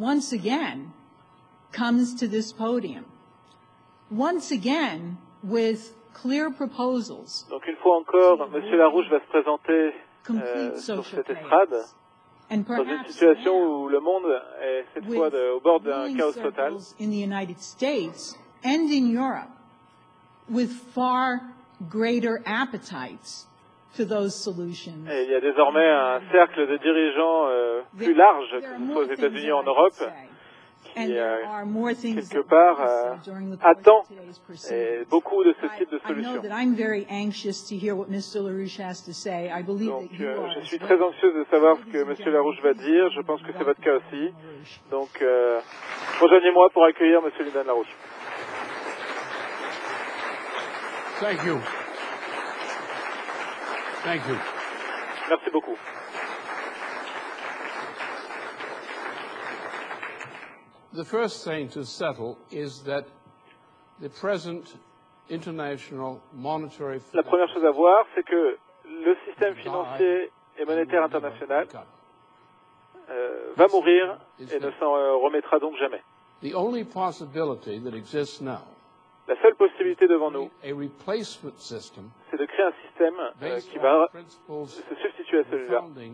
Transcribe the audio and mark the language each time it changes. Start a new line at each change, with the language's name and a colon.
English: Once again, comes to this podium. Once again, with clear proposals.
French: Donc une fois encore, M. LaRouche va se présenter sur cette estrade dans une situation où le monde est cette fois au bord d'un chaos total.
English: In the United States and in Europe, with far greater appetites.
French: Et il y a désormais un cercle de dirigeants plus large que ce soit aux États-Unis ou en Europe qui, quelque part, attend beaucoup de ce type de solutions. Donc, je suis très anxieuse de savoir ce que M. LaRouche va dire. Je pense que c'est votre cas aussi. Donc, rejoignez-moi pour accueillir M. Lyndon LaRouche.
English: Thank you. Thank you.
French: Merci beaucoup.
English: The first thing to settle is that the present international monetary system.
French: La première chose à voir, c'est que le système financier et monétaire international va mourir et ne s'en remettra donc jamais.
English: The only possibility that exists now.
French: La seule possibilité devant nous, c'est de créer un système qui va se substituer à celui-là.